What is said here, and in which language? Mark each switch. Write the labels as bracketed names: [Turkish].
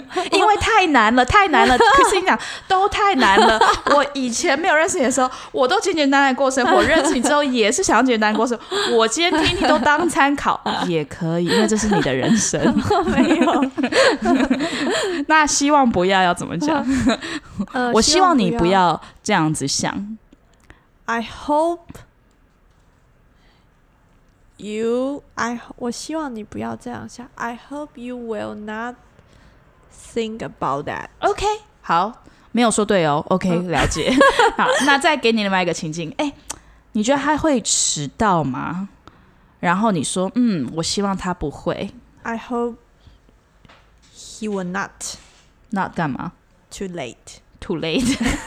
[Chinese] 因为太难了太难了，可是你讲都太难了，我以前没有认识你的时候我都简简单单过生，我认识你之后也是想要简单过生，我今天听你都当参考也可以，因为这是你的人生没有那希望不要要怎么讲我希望你不要这样子想 [English] I hope you I 我希望你不要这样想 I hope you will notThink about that. [Chinese] OK， 好，没有说对哦。OK， 了解。好，那再给你另外一个情境。哎，你觉得他会迟到吗？然后你说，嗯，我希望他不会。 [English] I hope he will not. [Chinese] Not 干嘛？ [English] Too late. Too late.